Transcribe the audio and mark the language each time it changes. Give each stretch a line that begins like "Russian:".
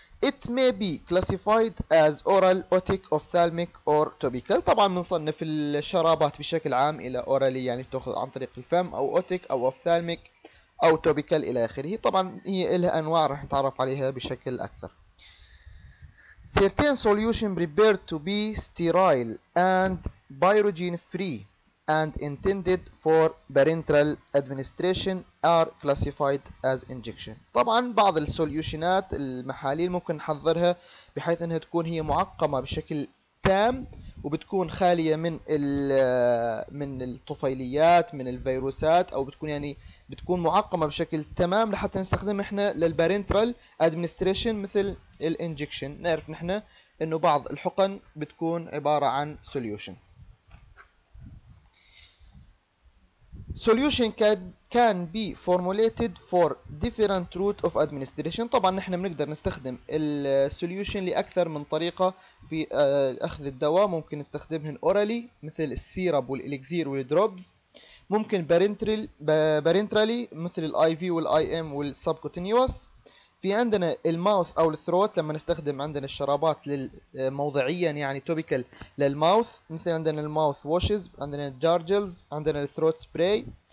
English: It may be classified as oral, otic, ophthalmic or topical.
Arabic: طبعا بنصنف الشرابات بشكل عام الى اورالي، يعني تاخذ عن طريق الفم، او otic او ophthalmic أو توبيكال إلى آخره. طبعا هي لها أنواع راح نتعرف عليها بشكل أكثر.
English: Certain solution prepared to be sterile and biogen free and intended for parenteral administration are classified as injection.
Arabic: طبعا بعض السوليوشنات المحاليل ممكن نحضرها بحيث أنها تكون هي معقمة بشكل تام وبتكون خالية من الطفيليات، من الفيروسات، او بتكون يعني بتكون معقمة بشكل تمام لحتى نستخدم احنا للبارنترال ادمنستريشن مثل الانجكشن. نعرف نحن انه بعض الحقن بتكون عبارة عن سوليوشن.
English: Solution can be formulated for different routes of administration.
Arabic: طبعا نحن بنقدر نستخدم السوليوشن لأكثر من طريقة في أخذ الدواء. ممكن نستخدمهن أورالي مثل السيرب والإليكزير والدروبز، ممكن بارنترالي مثل الاي في والاي ام والسبكوتينيوس. في عندنا الماوث أو الثروت لما نستخدم عندنا الشرابات موضعيا يعني توبيكال للماوث، مثل عندنا الماوث ووشز، عندنا الجارجلز، عندنا الثروت سبراي.